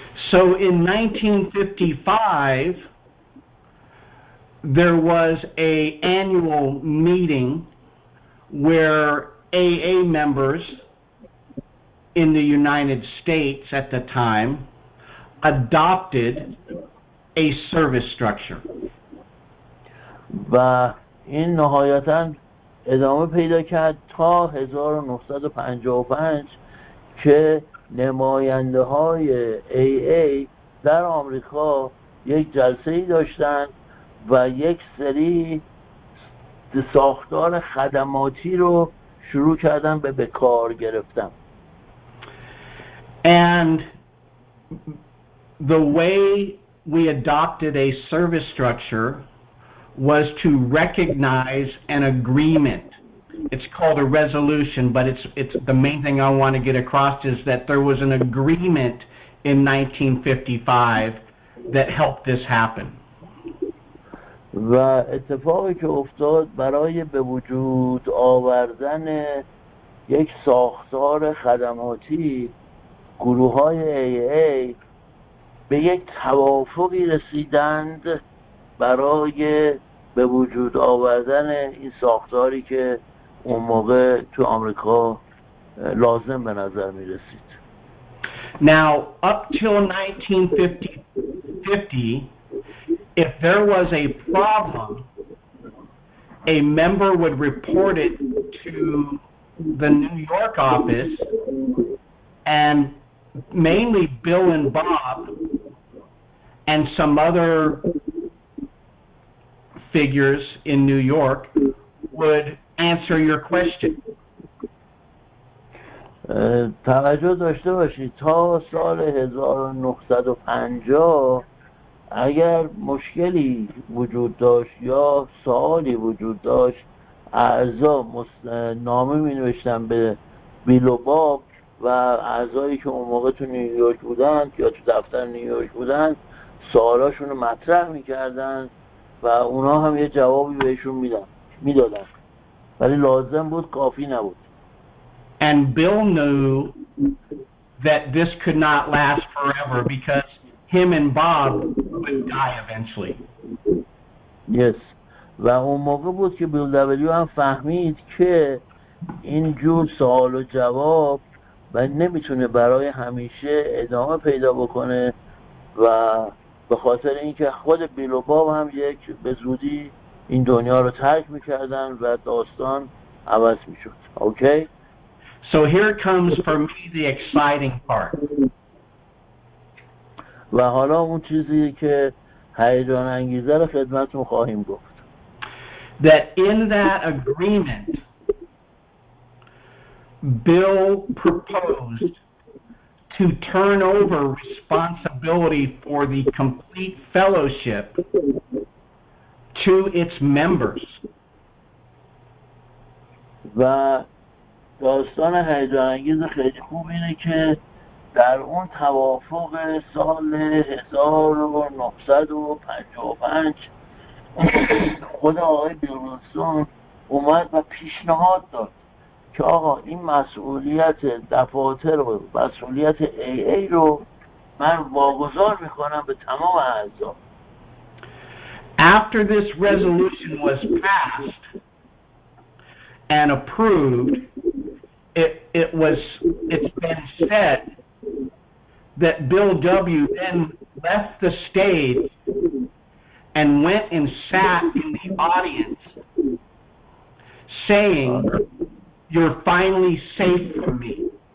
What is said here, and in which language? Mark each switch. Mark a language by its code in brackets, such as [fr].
[en] So in 1955 there was a annual meeting where AA members in the United States at the time adopted a service structure. [fa] و این نهایتاً ادامه پیدا کرد تا 1955 که نماینده های AA در آمریکا یک جلسه ای داشتن و یک سری ساختار خدماتی رو شروع کردن به کار گرفتن. [en] And the way we adopted a service structure was to recognize an agreement. It's called a resolution, but it's the main thing I want to get across is that there was an agreement in 1955 that helped this happen. [fa] و اتفاقی که افتاد برای به وجود آوردن یک ساختار خدماتی، گروه‌های AA به یک توافقی رسیدند برای به وجود آوردن این ساختاری که اون موقع تو آمریکا لازم به نظر می رسید. [en] Now up till 1950, if there was a problem, a member would report it to the New York office, and mainly Bill and Bob and some other figures in New York would answer your question. [fa] توجه داشته باشید تا سال 1950 اگر مشکلی وجود داشت یا سوالی وجود داشت، اعضا نامه می نوشتن به ویلو باک و اعضایی که اون موقع تو نیویورک بودن یا تو دفتر نیویورک بودن سوالاشون رو مطرح میکردن و اونا هم یه جوابی بهشون میدادن، ولی لازم بود، کافی نبود. [en] And Bill knew that this could not last forever because him and Bob would die eventually. Yes. [fa] و اون موقع بود که بیل دبلیو هم فهمید که این جور سوال و جواب و نمیتونه برای همیشه ادامه پیدا بکنه و به خاطر اینکه خود بیل و باب هم یک به زودی این دنیا رو ترک میکردن و داستان عوض میشد. [en] Okay? So here comes for me the exciting part. [fa] و حالا اون چیزی که هیجان انگیزه رو خدمتتون خواهیم گفت. [en] That in that agreement, Bill proposed to turn over responsibility for the complete fellowship to its members. [fa] و داستان هیجان انگیز خیلی خوب اینه که در اون توافق سال 1955 خود آقای بیلسون اومد و پیشنهاد داد که آقا این مسئولیت دفاتر و مسئولیت AA رو من واگذار میکنم به تمام اعضا. [en] After this resolution was passed and approved, it's been said that Bill W. then left the stage and went and sat in the audience saying, "You're finally safe from me."